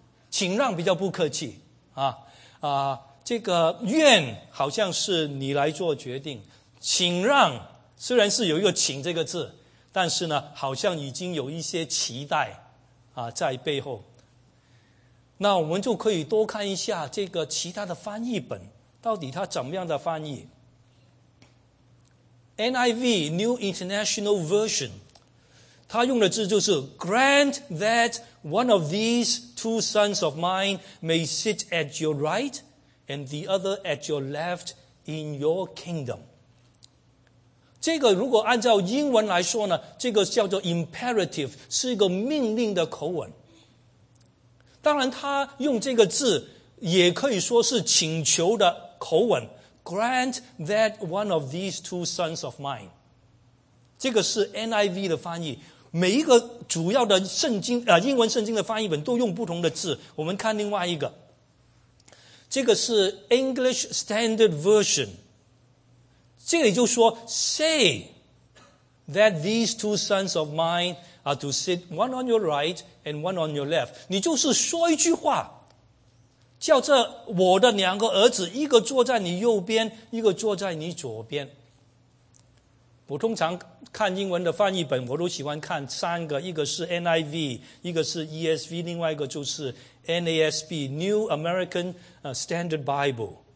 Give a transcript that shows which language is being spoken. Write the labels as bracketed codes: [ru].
[zh] 请让比较不客气啊，这个愿好像是你来做决定，请让虽然是有一个请这个字，但是呢好像已经有一些期待啊在背后。那我们就可以多看一下这个其他的翻译本到底它怎么样的翻译。 [en] NIV New International Version [zh] 它用的字就是 [en] Grant that one of these two sons of mine may sit at your right and the other at your left in your kingdom。 [zh] 这个如果按照英文来说呢，这个叫做 imperative， 是一个命令的口吻。当然他用这个字也可以说是请求的口吻， [en] grant that one of these two sons of mine， [zh] 这个是 NIV 的翻译。每一个主要的圣经英文圣经的翻译本都用不同的字。我们看另外一个，这个是 [en] English Standard Version， [zh] 这个也就是说 [en] say that these two sons of mine are to sit one on your right and one on your left。 [zh] 你就是说一句话，叫这我的两个儿子，一个坐在你右边，一个坐在你左边。我通常看英文的翻译本，我都喜欢看三个，一个是 NIV， 一个是 ESV， 另外一个就是 NASB New American Standard Bible。